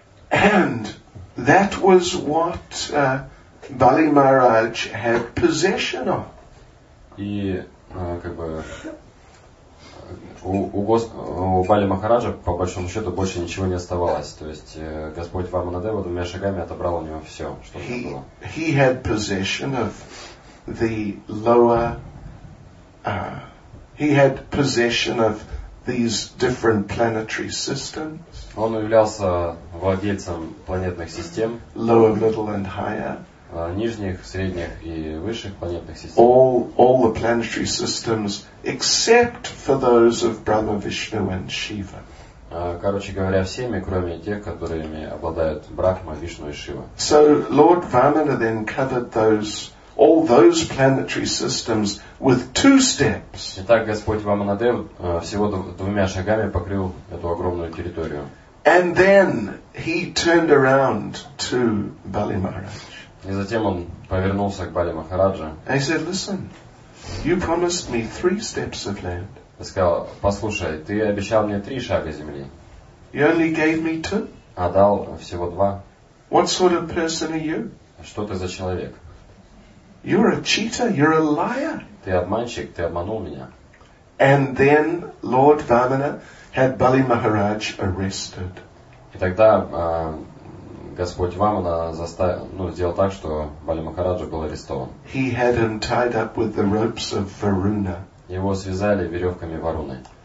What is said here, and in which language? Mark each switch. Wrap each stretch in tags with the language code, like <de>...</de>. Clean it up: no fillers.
<en>And that was what Bali Maharaj had possession of.</en> <ru>И у Бали Махараджа по большому счету больше ничего не оставалось. То есть Господь Ваманадева двумя шагами отобрал у него все, что у него было.</ru> <en>He had possession of the lower. He had possession of these different planetary systems.</en> <ru>Он являлся владельцем планетных систем.</ru> <en>Lower, middle, and higher.</en> <ru>Нижних, средних и высших планетных систем.</ru> <en>All the planetary systems except for those of Brahma, Vishnu and Shiva.</en> <ru>Короче говоря, всеми, кроме тех, которыми обладают Брахма, Вишну и Шива.</ru> <en>So Lord Vamana then covered all those planetary systems with two steps.</en> <ru>Итак, Господь Ваманадев всего двумя шагами покрыл эту огромную территорию.</ru> <en>And then he turned around to Bali Maharaj.</en> <ru>И затем он повернулся к Бали Махараджа.</ru> <en>He said, "Listen, you promised me three steps of land."</en> <ru>Он сказал: "Послушай, ты обещал мне три шага земли."</ru> <en>You only gave me two.</en> <ru>А дал всего два.</ru> <en>What sort of person are you?</en> <ru>Что ты за человек?</ru> <en>You're a cheater. You're a liar.</en> <ru>Ты обманщик. Ты обманул меня.</ru> <en>And then Lord Vamana had Bali Maharaj arrested.</en> <ru>И тогда Господь Вамана сделал так, что Бали Махараджа был арестован.</ru> <en>He had him tied up with the ropes of Varuna.</en> <ru>Его связали веревками Варуны.</ru>